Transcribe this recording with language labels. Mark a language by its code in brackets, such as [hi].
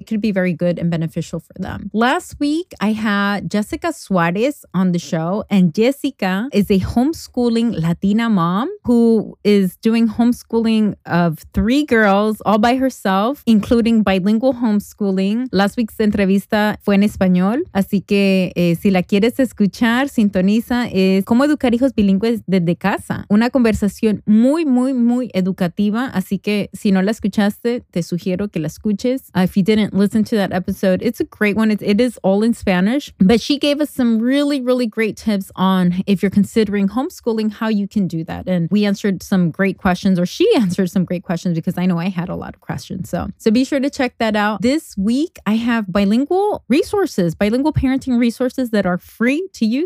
[en] It could be very good and beneficial for them. Last week, I had Jessica Suarez on the show. And Jessica is a homeschooling Latina mom who is doing homeschooling of three girls all by herself, including bilingual homeschooling. Last week's [es] entrevista fue en español. Así que si la quieres escuchar, sintoniza. Es cómo educar hijos bilingües desde casa. Una conversación muy, muy, muy educativa. Así que si no la escuchaste, te sugiero que la escuches. [en] If you didn't listen to that episode, it's a great one. It is all in Spanish. But she gave us some really, really great tips on if you're considering homeschooling, how you can do that. And we answered some great questions, or she answered some great questions, because I know I had a lot of questions. So be sure to check that out. This week, I have bilingual resources, bilingual parenting resources that are free to you.